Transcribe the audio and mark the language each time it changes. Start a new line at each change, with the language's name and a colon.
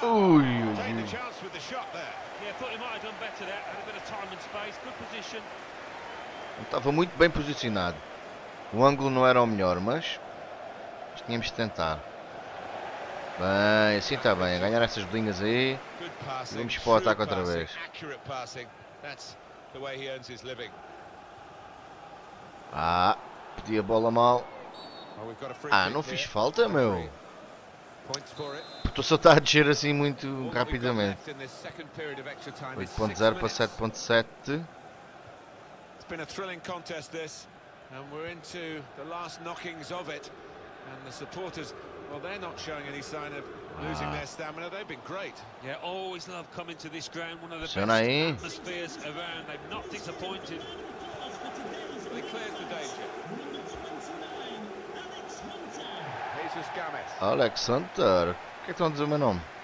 English: Ooh, taking the chance with the shot there. Yeah, thought he might have done better there. Had a bit of time and space. Good position.
Portuguese: Ele estava muito bem posicionado. O ângulo não era o melhor, mas tínhamos de tentar. Bem, assim está bem. Ganhar essas bolinhas aí. Vamos para o ataque outra vez.
English: Accurate passing. That's the way he earns his living.
Portuguese: Ah, pedi a bola mal. Ah, não fiz falta, meu. Estou só a descer assim muito rapidamente. 8.0 para 7.7.
English: It's been a thrilling contest this, and we're into the last knockings of it. And the supporters, well, they're not showing any sign of losing their stamina. They've been great. Yeah, always love coming to this ground. One of the best atmospheres around. They've not disappointed. They cleared the danger.
Portuguese: Alex Hunter, o que é que estão a dizer o meu nome?